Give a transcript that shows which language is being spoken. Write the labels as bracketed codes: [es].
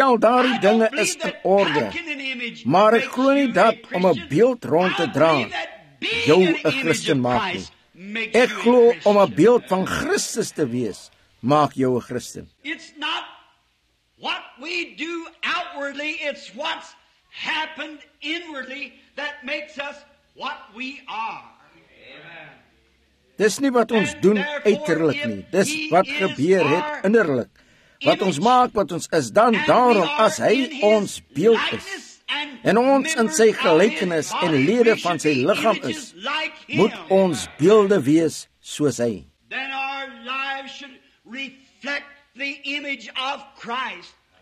[af] Wel, daardie dinge is in orde, maar ek glo nie dat om 'n beeld rond te dra jou 'n Christen maak nie. Ek glo om 'n beeld van Christus te wees, maak jou 'n Christen. [en] It's not what we do outwardly, it's what's happened inwardly that makes us what we are. [af] Dis nie wat ons doen uiterlik nie, dis wat gebeur het innerlik, wat ons maak, wat ons is. Dan daarom, as hy ons beeld is en ons in sy gelykenis en lede van sy liggaam is, moet ons beelde wees soos hy. [en] Then our lives should reflect the image of Christ.